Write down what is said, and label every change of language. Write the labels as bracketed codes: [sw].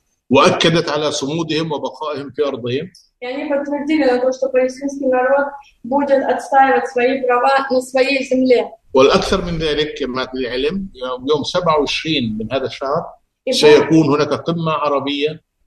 [ar] وأكدت على صمودهم وبقائهم في أرضهم. يعني [ru] подтвердили на то, что палестинский народ будет отстаивать свои права на своей земле. [ar] والأكثر من ذلك كما تعلم يوم 27 من هذا الشهر سيكون هناك قمة عربية.